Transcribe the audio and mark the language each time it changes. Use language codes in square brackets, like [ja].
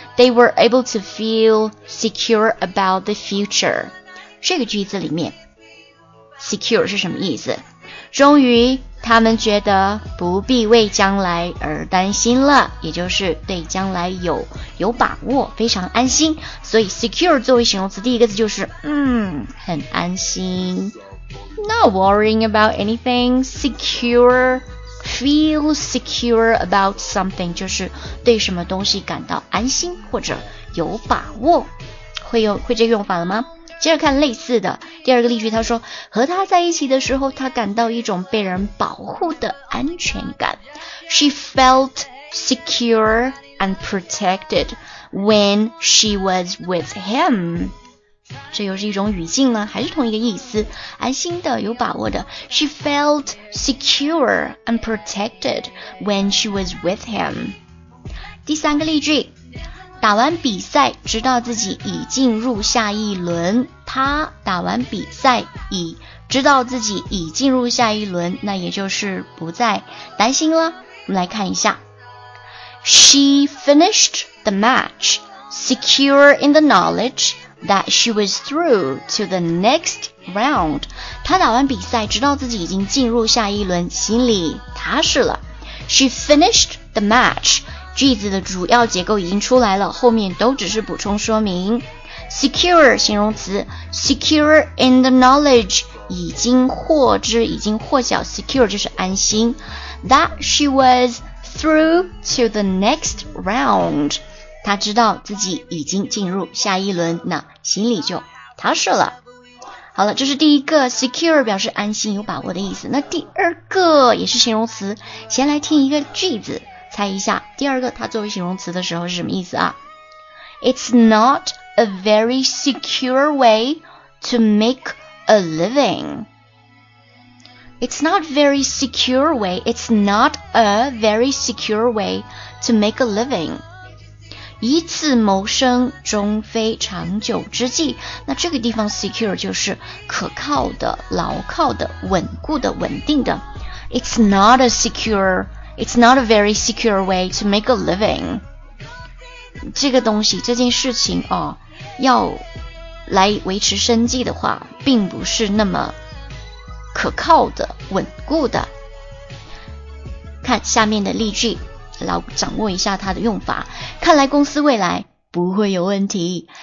[en] they were able to feel secure about the future. [zh] 这个句子里面 secure 是什么意思？终于他们觉得不必为将来而担心了，也就是对将来有把握，非常安心。所以 secure 作为形容词第一个字就是很安心。 [en] Not worrying about anything, secure, feel secure about something, [zh] 就是对什么东西感到安心或者有把握。会这个用法了吗？接着看类似的第二个例句，他说和他在一起的时候，他感到一种被人保护的安全感。 [en] She felt secure and protected when she was with him。 [zh] 这又是一种语境呢，还是同一个意思，安心的，有把握的。 [en] She felt secure and protected when she was with him。 [zh] 第三个例句，打完比赛，知道自己已进入下一轮。他打完比赛，知道自己已进入下一轮，那也就是不再担心了。我们来看一下。 [en] She finished the match, secure in the knowledge,that she was through to the next round. [zh] 她打完比赛，知道自己已经进入下一轮，心里踏实了。 [en] She finished the match. [zh] 句子的主要结构已经出来了，后面都只是补充说明。 Secure 形容词 ， [en] secure in the knowledge [zh] 已经获知，已经获晓。 Secure 就是安心。 [en] That she was through to the next round. [zh] 他知道自己已经进入下一轮，那心里就踏实了。好了，这是第一个 secure 表示安心有把握的意思。那第二个也是形容词，先来听一个句子，猜一下第二个它作为形容词的时候是什么意思啊？ [en] It's not a very secure way to make a living. It's not very secure way. It's not a very secure way to make a living. [zh] 以此谋生终非长久之计，那这个地方 secure 就是可靠的、牢靠的、稳固的、稳定的。 [en] It's not a very secure way to make a living. [zh] 这个东西、这件事情、哦、要来维持生计的话，并不是那么可靠的、稳固的。看下面的例句，来掌握一下它的用法。看来公司未来不会有问题。